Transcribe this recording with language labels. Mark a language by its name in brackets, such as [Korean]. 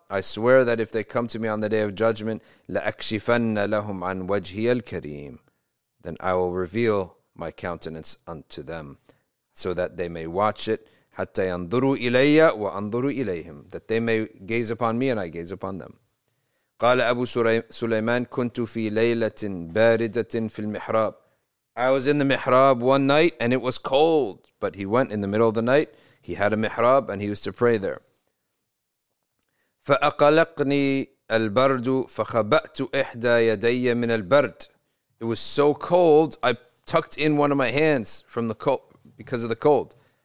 [English] I swear that if they come to me on the day of judgment, [Arabic] لَأَكْشِفَنَّ لَهُمْ عَنْ وَجْهِيَ الْكَرِيمِ [English] Then I will reveal my countenance unto them so that they may watch it. [Arabic] حَتَّى يَنْظُرُوا إِلَيَّ وَأَنْظُرُوا إِلَيْهِمْ [English] That they may gaze upon me and I gaze upon them. [Arabic] قال أبو سليمان كنت في ليلة باردة في المحراب [English] I was in the mihrab one night and it was cold, but he went in the middle of the night. He had a mihrab and he used to pray there. [Arabic] فَأَقَلَقْنِي الْبَرْدُ فَخَبَأْتُ إِحْدَى يَدَيَّ مِنَ الْبَرْدِ. [English] It was so cold, I tucked in one of my hands from the cold, because of the cold.